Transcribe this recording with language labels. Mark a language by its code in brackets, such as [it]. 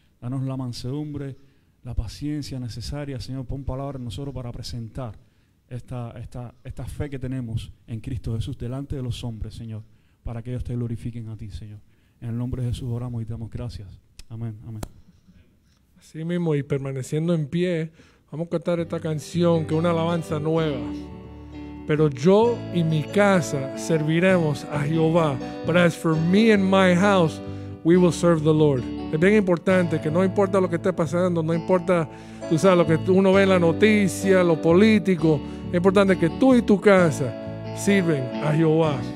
[es] Danos la mansedumbre, la paciencia necesaria, Señor, pon palabra en nosotros para presentar esta fe que tenemos en Cristo Jesús delante de los hombres, Señor, para que ellos te glorifiquen a ti, Señor. En el nombre de Jesús oramos y te damos gracias. Amén, amén. Así mismo, y permaneciendo en pie, vamos a cantar esta canción, que es una alabanza nueva. Pero yo y mi casa serviremos a Jehová. [en] But as for me and my house, we will serve the Lord. [es] Es bien importante que no importa lo que esté pasando, no importa, tú sabes, lo que uno ve en la noticia, lo político. Es importante que tú y tu casa sirven a Jehová.